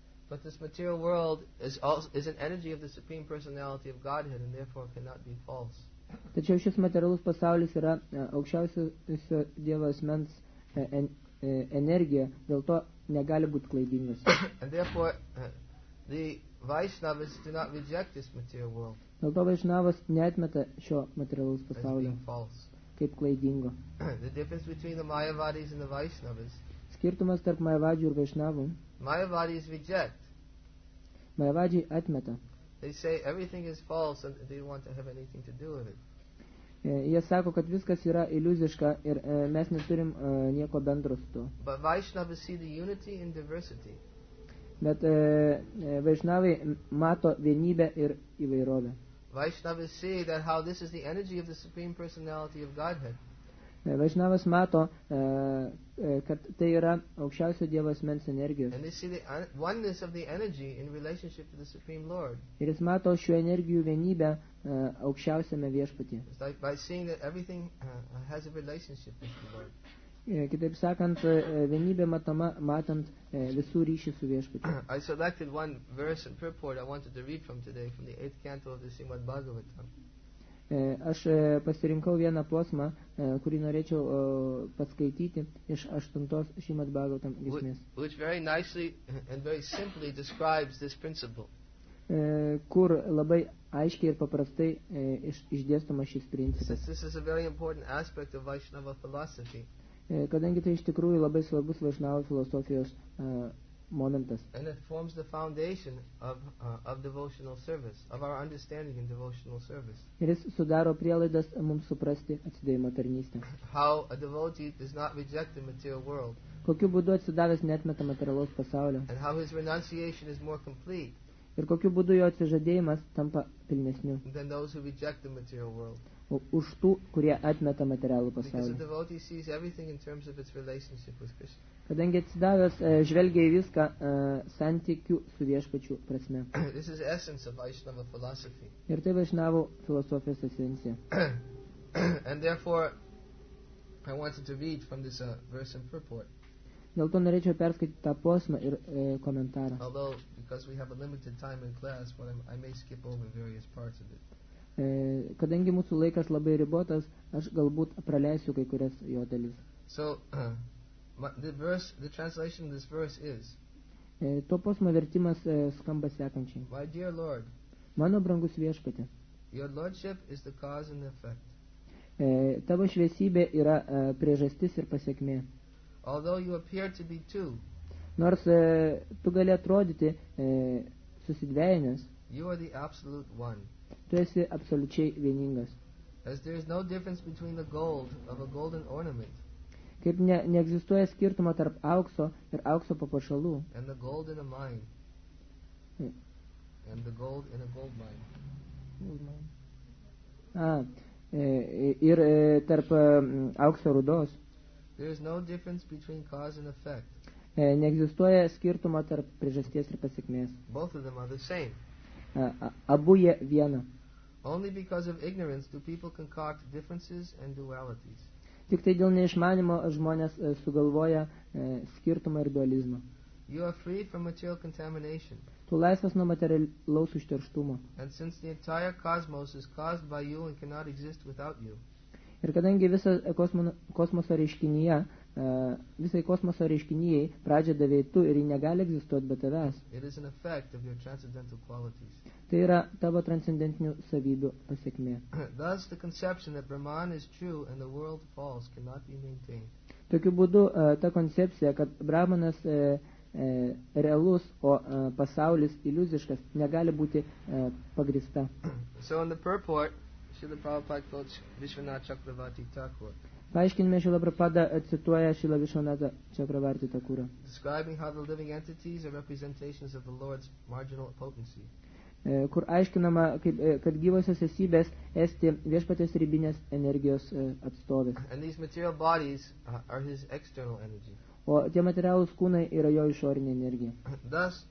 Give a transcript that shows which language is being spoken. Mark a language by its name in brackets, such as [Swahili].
[English] But this material world is an energy of the Supreme Personality of Godhead and therefore cannot be false. [Lithuanian] Tačiau šis materialus pasaulis yra aukščiausios Dievo asmens energija, dėl to negali būti klaidingas. [English] And therefore the Vaishnavas do not reject this material world. [Lithuanian] Dėl to Vaishnavas neatmeta šio materialus pasaulio kaip klaidingo. [English] The difference between the Mayavadis and the Vaishnavas. [Lithuanian] Skirtumas tarp Mayavadžių ir Vaishnavų. [English] Mayavadis reject. [Lithuanian] Mayavadžiai atmeta. [English] They say everything is false and they don't want to have anything to do with it. [Lithuanian] Jie sako, kad viskas yra iliuziška ir mes neturim nieko bendro su to. [English] But Vaishnavas see the unity in diversity. [Lithuanian] Bet Vaishnavai mato vienybę ir įvairovę. [English] Vaishnavas see that how this is the energy of the Supreme Personality of Godhead. [Lithuanian] Vaishnavas mato, kad tai yra aukščiausio Dievo asmens energijos. [English] And they see the oneness of the energy in relationship to the Supreme Lord. [Lithuanian] Ir jis mato šių energijų vienybę aukščiausiame viešpatyje. [English] It's like by seeing that everything has a relationship with the Lord. [Lithuanian] Kitaip sakant, vienybė matoma, matant visų ryšį su viešpačiu. [English] I selected one verse and purport I wanted to read from today, from the 8th canto of the Srimad Bhagavatam. [Lithuanian] Aš pasirinkau vieną posmą, kurį norėčiau paskaityti iš 8 Srimad Bhagavatam giesmės. [English] Which very nicely and very simply describes this principle. [Lithuanian] Kur labai aiškiai ir paprastai išdėstoma šis principas. [English] This is a very important aspect of Vaishnava philosophy. [Lithuanian] kadangi tai iš tikrųjų labai svarbus Vaishnava filosofijos momentas. [English] And it forms the foundation of devotional service, of our understanding in devotional service. [Lithuanian] Ir jis sudaro prielaidas mums suprasti atsidėjimo tarnystę. [English] How a devotee does not reject the material world. [Lithuanian] Kokiu būdu atsidavęs neatmeta materialaus pasaulio. [English] And how his renunciation is more complete. [Lithuanian] Ir kokiu būdu jo atsižadėjimas tampa pilnesniu. [English] Than those who reject the material world. [Lithuanian] Už tų, kurie atmeta materialų pasaulį. [English] Because a devotee sees everything in terms of its relationship with Krishna. [Lithuanian] Kadangi atsidavęs žvelgia į viską santykių su viešpačių prasme. [English] This is essence of Vaishnava philosophy. [Lithuanian] Ir tai Vaishnavo filosofijos esencija. [English] And therefore, I wanted to read from this verse and purport. [Lithuanian] Dėl to norėčiau perskaityti tą posmą ir komentarą. [English] Although, because we have a limited time in class, but I may skip over various parts of it. [Lithuanian] Kadangi mūsų laikas labai ribotas, aš galbūt praleisiu kai kurias jo dalis. [English] So, the translation of this verse is. [Lithuanian] To posmo vertimas skamba sekančiai. [English] My dear Lord. [Lithuanian] Mano brangus viešpatė. [English] Your lordship is the cause and the effect. [Lithuanian] Tavo šviesybė yra priežastis ir pasekmė. [English] Although you appear to be two. [Lithuanian] Nors tu gali atrodyti susidvejinęs. [English] You are the absolute one. [Lithuanian] Tu esi absoliučiai vieningas. [English] As there is no difference between the gold of a golden ornament. [Lithuanian] Kaip neegzistuoja skirtumo tarp aukso ir aukso papuošalų. [English] And the gold in a mine. And the gold in a gold mine. [Lithuanian] Ir tarp aukso rudos. [English] There is no difference between cause and effect. [Lithuanian] Neegzistuoja skirtumo tarp priežasties ir pasekmės. [English] Both of them are the same. [Lithuanian] Abu jie viena. [English] Only because of ignorance do people concoct differences and dualities. [Lithuanian] Tik tai dėl neišmanimo žmonės sugalvoja skirtumą ir dualizmą. [English] You are free from material contamination. [Lithuanian] Tu laisvas nuo materialaus užterštumo. [English] And since the entire cosmos is caused by you and cannot exist without you. [Lithuanian] Ir kadangi visa kosmoso reiškinyje, visai kosmoso reiškinyjai pradžią davei tu ir ji negali egzistuoti be tavęs. [English] It is an effect of your transcendental qualities. [Lithuanian] Tai yra tavo transcendentinių savybių pasekmė. [English] Thus the conception that Brahman is true and the world false cannot be maintained. [Lithuanian] Tokiu būdu ta koncepcija, kad Brahmanas realus, o pasaulis iliuziškas, negali būti pagrįsta. [English] So in the purport, Srila Prabhupada quotes Vishwanatha Chakravarti Thakura. [Lithuanian] Paaiškinime, Srila Prabhupada cituoja Srila Vishwanatha Chakravarti Thakura. [English] Describing how the living entities are representations of the Lord's marginal potency. [Lithuanian] Kur aiškinama, kad gyvosios esybės esti viešpatės ribinės energijos atstovės. [English] And these material bodies are his external energy. [Lithuanian] O tie materialūs kūnai yra jo išorinė energija.